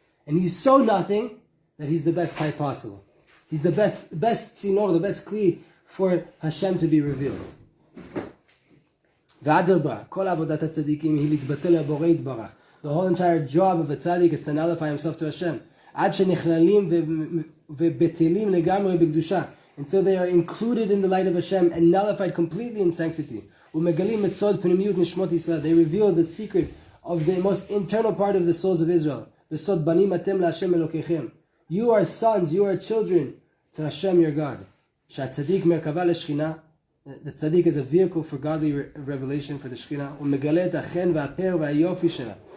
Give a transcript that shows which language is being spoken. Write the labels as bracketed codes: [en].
[en] And he's so nothing that he's the best kai possible. He's the best tzinor, the best kli for Hashem to be revealed. The whole entire job of a tzaddik is to nullify himself to Hashem. [he] עד שנכללים ובטלים לגמרי בקדושה. [en] Until they are included in the light of Hashem and nullified completely in sanctity. [he] ומגלים את סוד פנימיות נשמות ישראל. [en] They reveal the secret of the most internal part of the souls of Israel. [he] וסוד בנים אתם להשם אלוקיכם. [en] You are sons, you are children to Hashem, your God. [he] Sha'tzadik merkava l'shchina. [en] The tzaddik is a vehicle for godly revelation for the Shekhinah. [he] Umegale et achen v'aper v'ayofi shela.